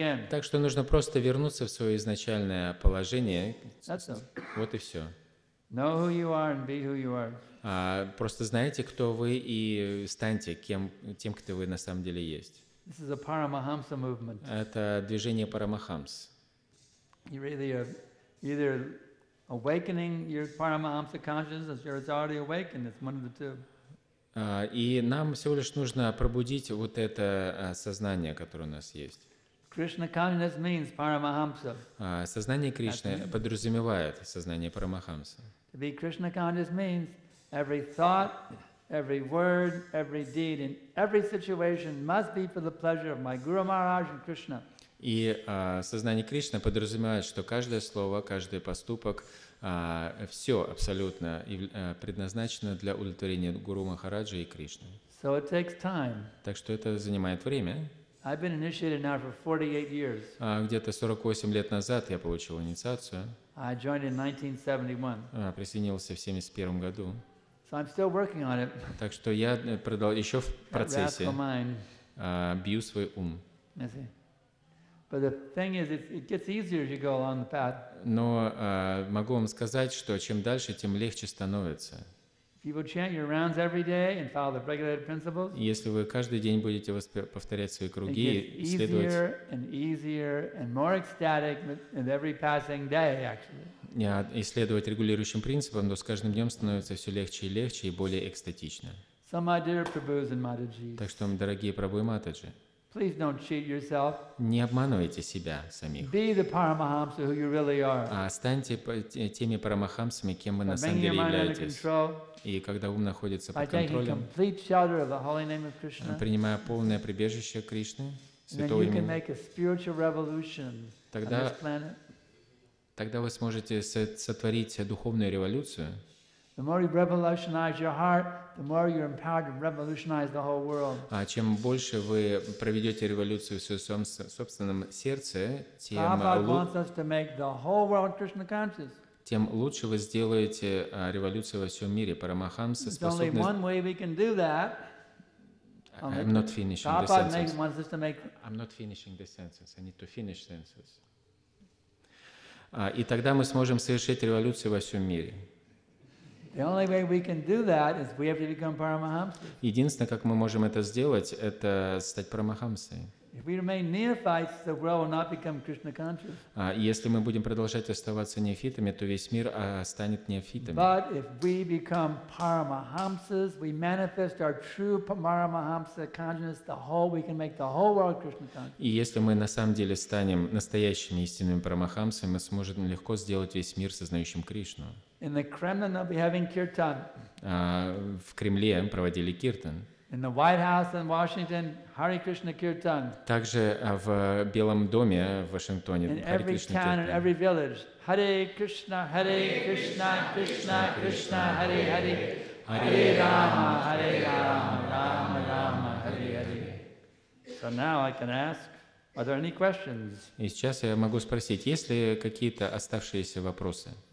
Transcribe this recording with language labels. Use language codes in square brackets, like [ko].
[ru] Так что нужно просто вернуться в свое изначальное положение. Вот и все. [en] Know who you are and be who you are. [ru] Просто знайте, кто вы, и станьте тем, кто вы на самом деле есть. [en] This is a Paramahamsa movement. [ru] Это движение Парамахамс. [en] You're either awakening your Paramahamsa consciousness, or it's already awakened. It's one of the two. [ru] И нам всего лишь нужно пробудить вот это сознание, которое у нас есть. [en] Krishna consciousness means Paramahamsa. [ru] Сознание Кришны подразумевает сознание Парамахамса. [en] To be Krishna conscious means every thought, every word, every deed in every situation must be for the pleasure of my Guru Maharaj and Krishna. [ru] И сознание Кришны подразумевает, что каждое слово, каждый поступок, все абсолютно предназначено для удовлетворения Гуру Махараджа и Кришны. [en] So it takes time. [ru] Так что это занимает время. [en] I've been initiated now for 48 years. [ru] Где-то 48 лет назад я получил инициацию. [en] I joined in 1971. [ru] Присоединился в 71 году. [en] So I'm still working on it. [ru] Так что я продолжаю еще в процессе. Бью свой ум. [en] But the thing is, it gets easier as you go along the path. [ru] Но могу вам сказать, что чем дальше, тем легче становится. [en] If you will chant your rounds every day and follow the regulated principles. [ru] Если вы каждый день будете повторять свои круги, следовать. [en] It gets easier and easier and more ecstatic with every passing day, actually. [ru] Исследовать регулирующим принципам, но с каждым днем становится все легче и легче и более экстатично. [en] So my dear Prabhus and Mataji. [ru] Так что, дорогие Прабху и Матаджи. [en] Please don't cheat yourself. [ru] Не обманывайте себя самих. [en] Be the Paramahamsa who you really are. [ru] Станьте теми Парамахамсами, кем вы на самом деле являетесь. И когда ум находится под контролем, принимая полное прибежище Кришны. Святого имени. [en] Make a spiritual revolution [ru] тогда, [en] on this planet. [ru] Тогда вы сможете сотворить духовную революцию. [en] The more you revolutionize your heart, the more you're empowered to revolutionize the whole world. [ru] А чем больше вы проведете революцию в своем собственном сердце, тем [en] wants us to make the whole world Krishna conscious. [ru] Тем лучше вы сделаете революцию во всем мире. Парамахамса способны... [en] There's only one way we can do that. I'm not finishing the sentence. Wants us to make... I'm not finishing the sentence. I need to finish the sentence. [ru] И тогда мы сможем совершить революцию во всем мире. [en] The only way we can do that is we have to become paramahamsas. [ru] Единственное, как мы можем это сделать, это стать парамахамсой. [en] If we remain neophytes, the world will not become Krishna conscious. [ru] А если мы будем продолжать оставаться неофитами, то весь мир станет неофитами. [en] But if we become paramahamsas, we manifest our true paramahamsa consciousness. The whole we can make the whole world Krishna conscious. [ru] И если мы на самом деле станем настоящими истинными парамахамсами, мы сможем легко сделать весь мир сознающим Кришну. [en] In the Kremlin, they'll be having kirtan. [ru] В Кремле проводили киртан. [en] In the White House in Washington, Hare Krishna kirtan. [ru] Также в Белом доме в Вашингтоне Hare Krishna kirtan. [en] In every town and every village, Hare Krishna, Krishna Krishna, Hare Hare, Hare Rama, Rama Rama, Hare Hare. So now I can ask, are there any questions? [ru] И сейчас я могу спросить, есть ли какие-то оставшиеся вопросы?